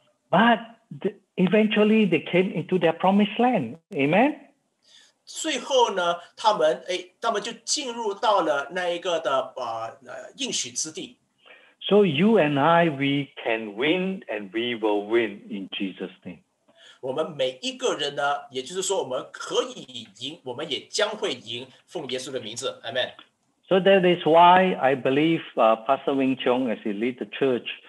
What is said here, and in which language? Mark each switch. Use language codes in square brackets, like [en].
[en] But eventually they came into their promised land. Amen. [zh] 最后呢，他们就进入到了那一个的应许之地。 [en] So you and I, we can win, and we will win in Jesus' name. [zh] 我们每一个人呢，也就是说，我们可以赢，我们也将会赢，奉耶稣的名字 ，Amen. [en] So that is why I believe, Pastor Wing Chung, as he lead the church.